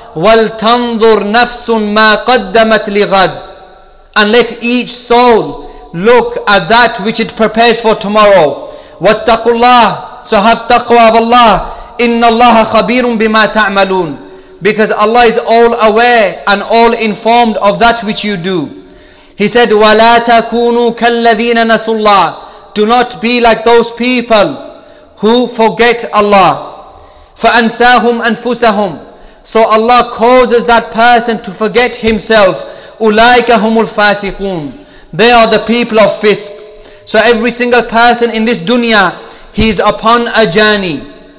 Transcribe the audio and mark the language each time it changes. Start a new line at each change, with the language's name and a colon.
Arabic: Wal tanzur nafsun ma qaddamat li ghad,
English: and let each soul look at that which it prepares for tomorrow.
Arabic: وَاتَّقُوا اللَّهِ.
English: So have taqwa of Allah.
Arabic: إِنَّ اللَّهَ خَبِيرٌ بِمَا تَعْمَلُونَ.
English: Because Allah is all aware and all informed of that which you do. He said,
Arabic: وَلَا تَكُونُوا كَالَّذِينَ نَسُوا اللَّهِ.
English: Do not be like those people who forget Allah.
Arabic: فَأَنْسَاهُمْ أَنْفُسَهُمْ.
English: So Allah causes that person to forget himself.
Arabic: أُولَٰئِكَ هُمُ الْفَاسِقُونَ.
English: They are the people of fisk. So every single person in this dunya, he is upon a journey.